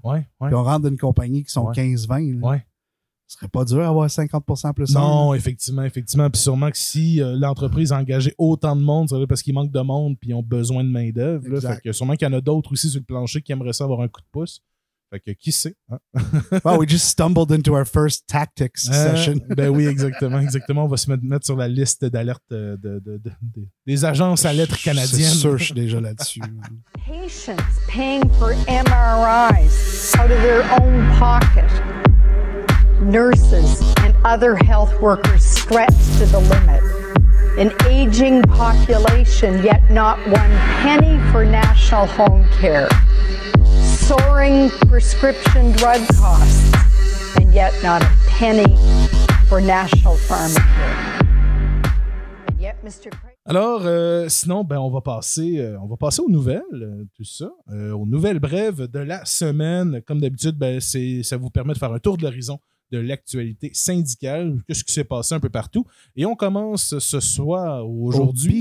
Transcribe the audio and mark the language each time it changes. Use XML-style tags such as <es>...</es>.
<fr>ouais, ouais. Puis on rentre dans une compagnie qui sont ouais. 15-20. Là. Ouais. Ce serait pas dur d'avoir 50% plus. Non, un, effectivement, effectivement. Puis sûrement que si l'entreprise a engagé autant de monde, c'est parce qu'il manque de monde puis ils ont besoin de main-d'œuvre. Fait que sûrement qu'il y en a d'autres aussi sur le plancher qui aimeraient ça avoir un coup de pouce. Fait que qui sait?</fr> <en>Hein? Wow, we just stumbled into our first tactics session.</en> <fr>Ben oui, exactement, exactement. On va se mettre sur la liste d'alerte des agences à lettres canadiennes. C'est sûr, je suis déjà là-dessus.</fr> <en>Patients paying for MRIs out of their own pocket. Nurses and other health workers stretched to the limit. An aging population, yet not one penny for national home care. Soaring prescription drug costs, and yet not a penny for National Pharmacare.</en> <fr>Alors, sinon, ben, on va passer aux nouvelles, tout ça, aux nouvelles brèves de la semaine. Comme d'habitude, ben, c'est, ça vous permet de faire un tour de l'horizon de l'actualité syndicale, qu'est-ce qui s'est passé un peu partout. Et on commence ce soir, aujourd'hui,</fr>